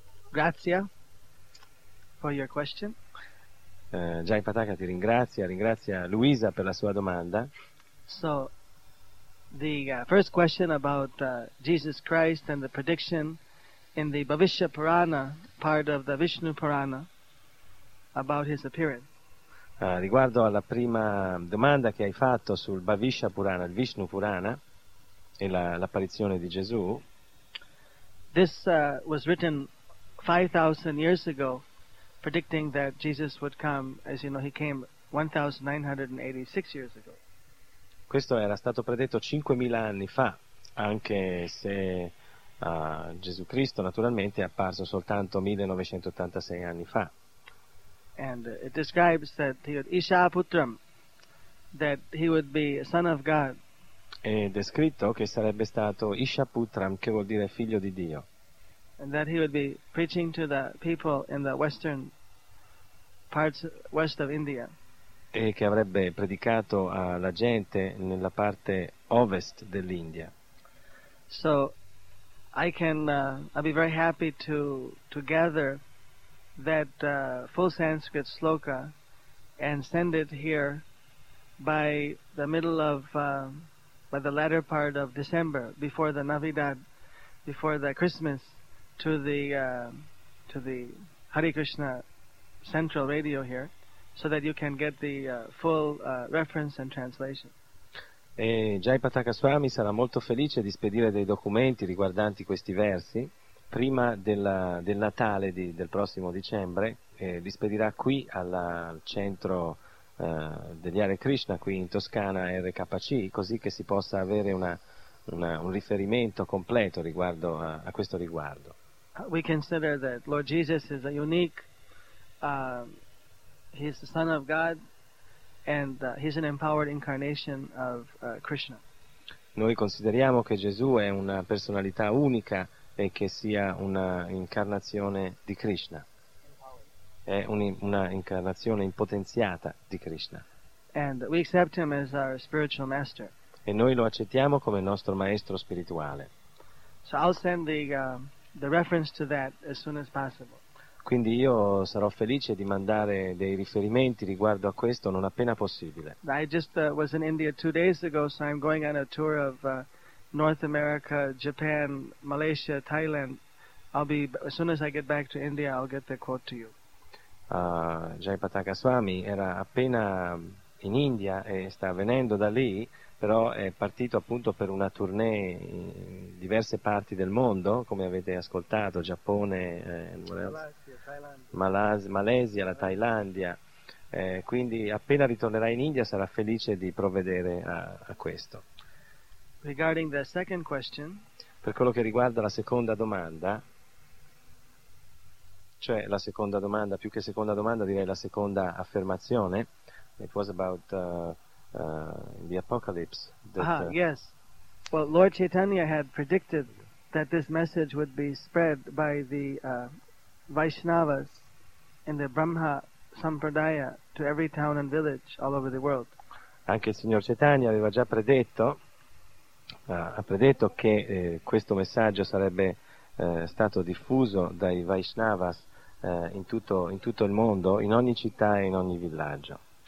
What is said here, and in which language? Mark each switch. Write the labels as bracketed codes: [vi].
[en] Grazie for your question. [it] Jai Pataka ti ringrazia Luisa per la sua domanda. [en] So the first question about Jesus Christ and the prediction in the Bhavishya Purana, part of the Vishnu Purana, about his appearance. [it] Riguardo alla prima domanda che hai fatto sul Bhavishya Purana, il Vishnu Purana, e l'apparizione di Gesù. [en] This was written 5,000 years ago, predicting that Jesus would come, as you know, he came 1,986 years ago. [it] Questo era stato predetto 5,000 anni fa, anche se Gesù Cristo naturalmente è apparso soltanto 1,986 anni fa. [en] And it describes that he would Isha Putram, that he would be a son of God. [it] Ed è scritto che sarebbe stato Isha Putram, che vuol dire figlio di Dio. [en] And that he would be preaching to the people in the western parts west of India. [it] E che avrebbe predicato alla gente nella parte ovest dell'India. [en] So I can I'll be very happy to gather that full Sanskrit sloka and send it here by the middle of by the latter part of December, before the Navidad, before the Christmas, to the Hare Krishna Central Radio here, so that you can get the full reference and translation. [it] E Jai Pataka Swami sarà molto felice di spedire dei documenti riguardanti questi versi prima del Natale del prossimo dicembre, li spedirà qui al centro degli Hare Krishna qui in Toscana, RKC, così che si possa avere un riferimento completo riguardo a questo riguardo. [en] We consider that Lord Jesus is a unique, he's the Son of God, and he's an empowered incarnation of Krishna. [it] Noi consideriamo che Gesù è una personalità unica e che sia una incarnazione di Krishna. È una incarnazione impotenziata di Krishna. [en] And we accept him as our spiritual master. [it] E noi lo accettiamo come nostro maestro spirituale. [en] So I'll send the reference to that as soon as possible. [it] Quindi io sarò felice di mandare dei riferimenti riguardo a questo non appena possibile. [en] I just was in India 2 days ago, so I'm going on a tour of North America, Japan, Malaysia, Thailand. I'll be, as soon as I get back to India, I'll get the quote to you. [it] Jai Pataka Swami era appena in India e sta venendo da lì, però è partito appunto per una tournée in diverse parti del mondo, come avete ascoltato, Giappone, Malesia, la Thailandia. Quindi appena ritornerà in India sarà felice di provvedere a questo. [en] Regarding the second question, [it] per quello che riguarda la seconda domanda, cioè la seconda domanda, più che seconda domanda direi la seconda affermazione. [en] It was about the apocalypse. Yes. Well, Lord Chaitanya had predicted that this message would be spread by the Vaishnavas in the Brahma Sampradaya to every town and village all over the world. [it] Anche il signor Chaitanya aveva già predetto che questo messaggio sarebbe stato diffuso dai Vaishnavas in tutto il mondo, in ogni città e in ogni villaggio.